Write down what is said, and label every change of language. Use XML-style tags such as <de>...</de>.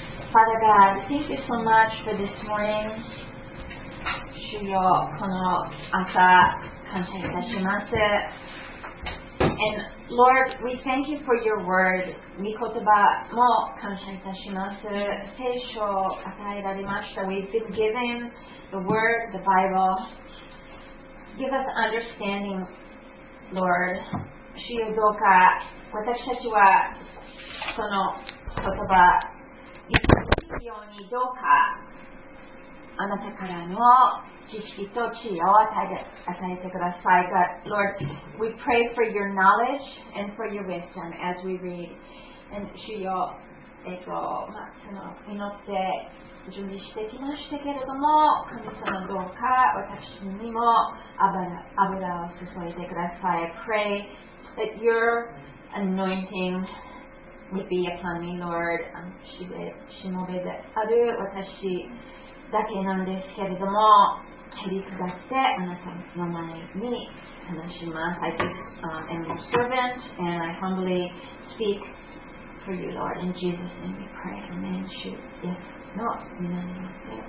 <en>Father God, thank you so much for this morning.</en> <ja>主よ、この朝、感謝いたします。</ja> <en>And Lord, we thank you for your word.</en> <ja>御言葉も感謝いたします。聖書を与えられました。</ja> <en>We've been given the word, the Bible. Give us understanding, Lord.</en> <ja>主よ、どうか私たちはその言葉ようにどうかあなたからの知識と知恵を与えてください。</ja> <en>God, Lord, we pray for your knowledge and for your wisdom as we read. And</en> <ja>主よ、まあ、その祈って準備してきましたけれども、神様どうか私にも油を注いでください。</ja> <en>I pray that your anointing would be upon me, Lord.</en> <ja>しもべである私だけなんですけれども、蹴り下ってあなたの前に話します。</ja> <en>I just am your servant, and I humbly speak for you, Lord. In Jesus' name we pray. Amen. Yes. No.</en>